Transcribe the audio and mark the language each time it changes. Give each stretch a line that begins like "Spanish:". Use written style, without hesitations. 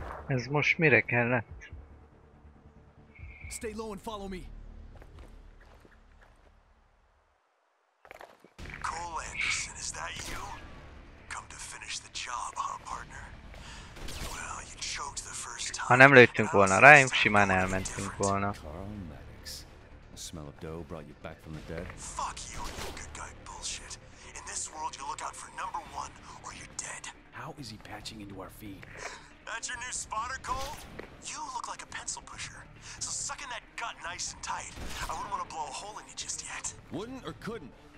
Hungarian: Ez most mire kellett?
English: Stay low and follow me. Cole Anderson, is that you? Come to finish the job, huh, partner? Well, you choked the first time.
Hungarian: Ha nem lőttünk volna rá, simán elmentünk volna.
English: Carl Maddox. The smell of dough brought you back from the dead. Fuck you, you good guy bullshit. In this world, you look out for number one or you're dead. How is he patching into our feet? That's your new spotter, Cole? You look like a pencil pusher. So suck in that gut nice and tight. I wouldn't want to blow a hole in you just yet. Wouldn't or couldn't?